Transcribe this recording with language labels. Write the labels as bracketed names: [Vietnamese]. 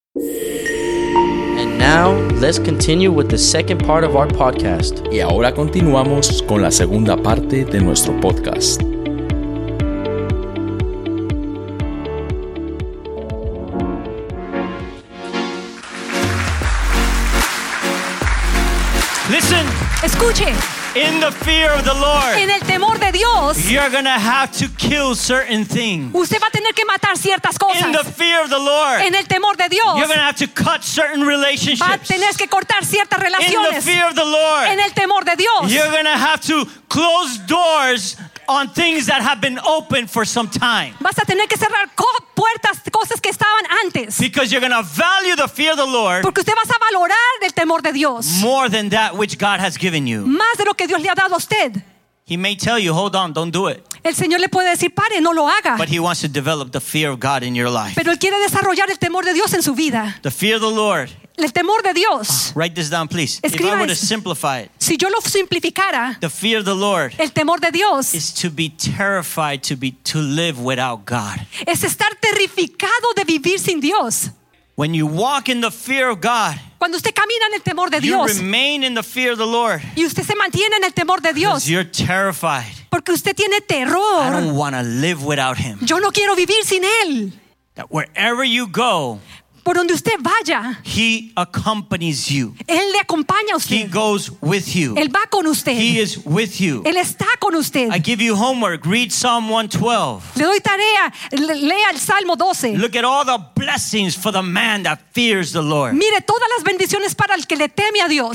[English] And now, let's continue with the second part of our podcast. [Spanish] Y ahora continuamos con la segunda parte de nuestro podcast. [English] Listen. [Spanish] Escuche. [English] In the fear of the Lord, [Spanish] en el temor de Dios, [English] you're going to have to kill certain things. [Spanish] Usted va a tener que matar ciertas cosas. [English] In the fear of the Lord, [Spanish] en el temor de Dios, [English] you're going to have to cut certain relationships. [Spanish] Va a tener que cortar ciertas relaciones. [English] In the fear of the Lord, [Spanish] en el temor de Dios, [English] you're going to have to close doors on things that have been open for some time. [Spanish] Vas a tener que cerrar puertas, cosas que estaban antes. [English] Because you're going to value the fear of the Lord. [Spanish] Porque usted vas a valorar el temor de Dios. [English] More than that which God has given you. [Spanish] Más de lo que Dios le ha dado a usted. [English] He may tell you, hold on, don't do it. [Spanish] El Señor le puede decir, pare, no lo haga. [English] But he wants to develop the fear of God in your life. [Spanish] Pero él quiere desarrollar el temor de Dios en su vida. [English] The fear of the Lord. [Spanish] El temor de Dios. [English] Write this down, please. [Spanish] Escriba [English] if I were to simplify it. [Spanish] Si yo lo simplificara. [English] The fear of the Lord. [Spanish] El temor de Dios. [English] Is to be terrified to live without God. [Spanish] Es estar terrificado de vivir sin Dios. [English] When you walk in the fear of God. [Spanish] Cuando usted camina en el temor de Dios. [English] You remain in the fear of the Lord. [Spanish] Y usted se mantiene en el temor de Dios. [English] Because you're terrified. [Spanish] Porque usted tiene terror. [English] I don't want to live without him. [Spanish] Yo no quiero vivir sin él. [English] That wherever you go. [Spanish] Por donde usted vaya, [English] he accompanies you. [Spanish] Él le acompaña a usted. [English] He goes with you. [Spanish] Él va con usted. [English] He is with you. [Spanish] Él está con usted. [English] I give you homework. Read Psalm 112. [Spanish] Le doy tarea. Lea el Salmo 12. [English] Look at all the blessings for the man that fears the Lord. [Spanish] Mire todas las bendiciones para el que le teme a Dios.